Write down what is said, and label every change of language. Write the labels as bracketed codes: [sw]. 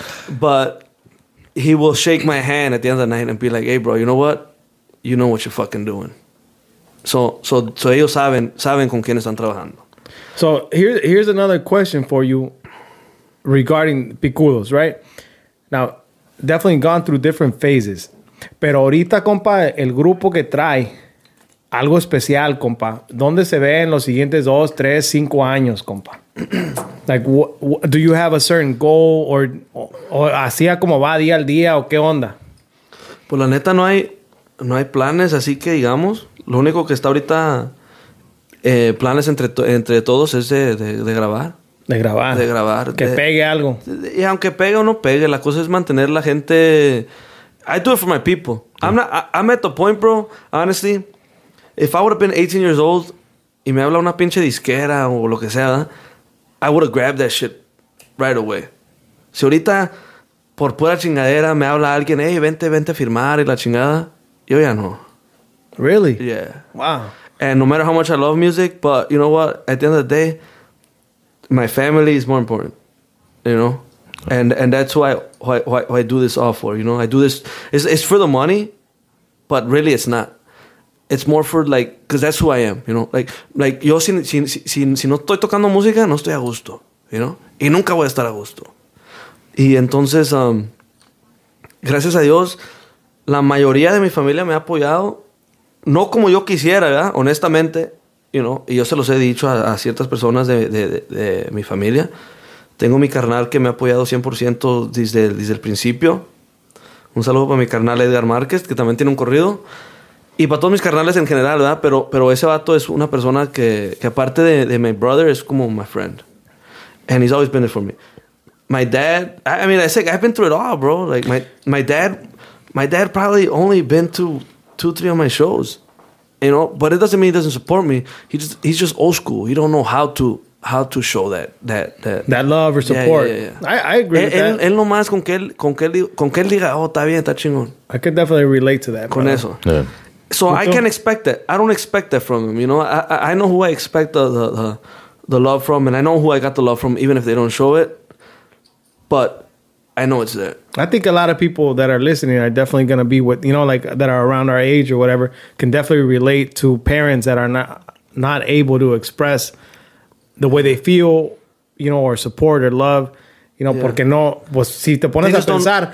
[en] but he will shake my hand at the end of the night and be like, hey, bro, you know what? You know what you're fucking doing. So [es] ellos saben con quién están trabajando. [en] So here's another question for you regarding Picudos, right? Now, definitely gone through different phases. [es] Pero ahorita, compa, el grupo que trae, algo especial, compa. ¿Dónde se ve en los siguientes 2, 3, 5 años, compa? [en] Like, do you have a certain goal or [es] así como va día al día o qué onda? Pues la neta no hay planes, así que digamos. Lo único que está ahorita planes entre todos es de grabar. De grabar. De grabar. Que pegue algo. Y aunque pegue o no pegue, la cosa es mantener la gente. [en] I do it for my people. [es] Yeah. [en] I'm at the point, bro, honestly. If I would have been 18 years old [es] y me habla una pinche disquera o lo que sea, [en] I would have grabbed that shit right away. [es] Si ahorita, por pura chingadera, me habla alguien, hey, vente a firmar y la chingada, yo ya no. [en] Really? Yeah. Wow. And no matter how much I love music, but you know what? At the end of the day, my family is more important, you know? And that's why I do this all for, you know? I do this, it's for the money, but really it's not. It's more for like, because that's who I am, you know? [es] Like yo si no estoy tocando música, no estoy a gusto, [en] you know? [es] Y nunca voy a estar a gusto. Y entonces, gracias a Dios, la mayoría de mi familia me ha apoyado, no como yo quisiera, ¿verdad? Honestamente, [en] you know? [es] Y yo se los he dicho a ciertas personas de mi familia. Tengo mi carnal que me ha apoyado 100% desde el principio. Un saludo para mi carnal Edgar Márquez, que también tiene un corrido. Y para todos mis carnales en general, ¿verdad? Pero ese vato es una persona que aparte de [en] my brother, [es] es como [en] my friend. And he's always been there for me. My dad, I mean, I said, I've been through it all, bro. Like, my dad probably only been to 2-3 of my shows. You know? But it doesn't mean he doesn't support me. He's just old school. He don't know how to show that love or support. Yeah. I agree with [es] él, [en] that. [es] Él nomás con que él diga, oh, está bien, está chingón. [en] I can definitely relate to that. [es] Con eso. [en] Yeah. So I can't expect that. I don't expect that from them, you know. I know who I expect the love from, and I know who I got the love from, even if they don't show it. But I know it's there. I think a lot of people that are listening are definitely going to be with, you know, like that are around our age or whatever, can definitely relate to parents that are not able to express the way they feel, you know, or support or love, you know, yeah. [es] Porque no, pues, si te pones a pensar,